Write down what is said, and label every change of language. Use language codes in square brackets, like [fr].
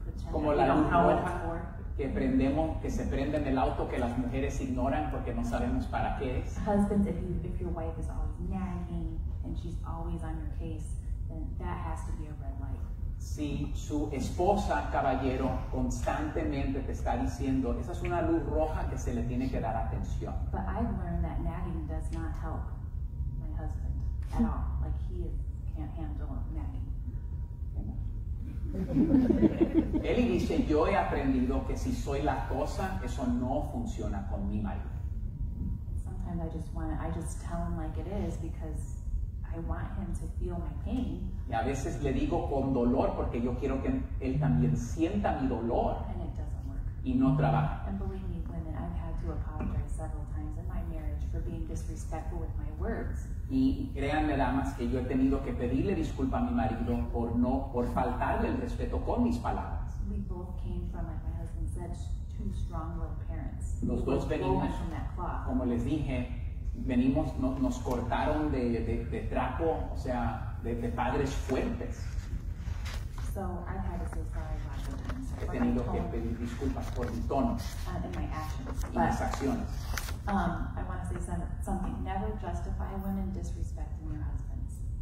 [es] Como la luz roja que prendemos, que se prende en el auto, que las mujeres ignoran porque no sabemos para qué es. [en] Husbands, if your wife is always nagging and she's always on your case, then that has to be a red light. [es] Si su esposa, caballero, constantemente te está diciendo, esa es una luz roja que se le tiene que dar atención. [en] But I've learned that nagging does not help my husband at all. Like he can't handle nagging. [es] Eli dice, yo he aprendido que si soy la cosa, eso no funciona con mi marido. [en] Sometimes I just tell him like it is because I want him to feel my pain. [es] Y a veces le digo con dolor porque yo quiero que él también sienta mi dolor. [en] And it doesn't work. [es] Y no trabaja. [en] And believe me, women, I've had to apologize several times in my marriage for being disrespectful with my words. [es] Y créanme, damas, que yo he tenido que pedirle disculpa a mi marido por faltarle el respeto con mis palabras. [en] We both came from, like my husband said, two strong-willed parents. [es] Los dos venimos, como les dije, venimos, no, nos cortaron de trapo, o sea, de padres fuertes. [en] So I had to say sorry. [es] He tenido que pedir disculpas por mi tono y mis acciones. [en] I want to say something. Never justify women disrespecting your husbands.